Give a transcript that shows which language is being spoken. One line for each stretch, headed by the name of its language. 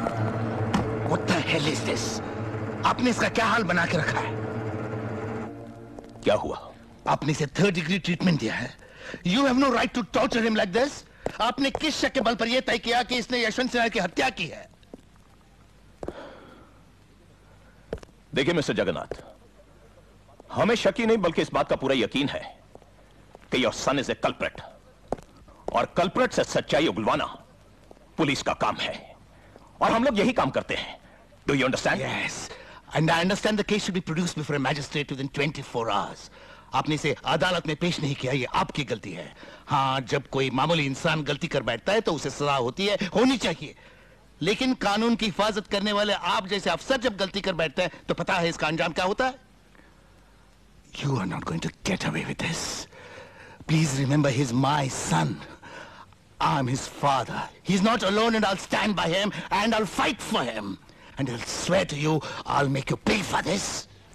Hindi: आपने इसका क्या हाल बना के रखा है? क्या हुआ? आपने इसे थर्ड डिग्री ट्रीटमेंट दिया है।
English: You have no right to torture him like this.
Hindi: आपने किस शक के बल पर यह तय किया कि इसने यशवंत सिन्हा की हत्या की है? देखिए मिस्टर जगन्नाथ, हमें शक ही नहीं बल्कि इस बात का पूरा यकीन है कि
English: your son is a culprit,
Hindi: और कल्प्रेट से सच्चाई उगलवाना पुलिस का काम है, और हम लोग यही काम करते हैं।
English: Do you understand? Yes. And I understand the case should be produced before a magistrate within 24 hours.
Hindi: आपने इसे अदालत में पेश नहीं किया, ये आपकी गलती है। हाँ, जब कोई मामूली इंसान गलती कर बैठता है तो उसे सजा होती है, होनी चाहिए। लेकिन कानून की हिफाजत करने वाले आप जैसे अफसर जब गलती कर बैठते हैं तो पता है इसका अंजाम क्या होता है?
English: You are not going to get away with this. Please remember, he's my son. I'm his father. He's not alone and I'll stand by him and I'll fight for him. And I'll swear to you, I'll make you pay for this.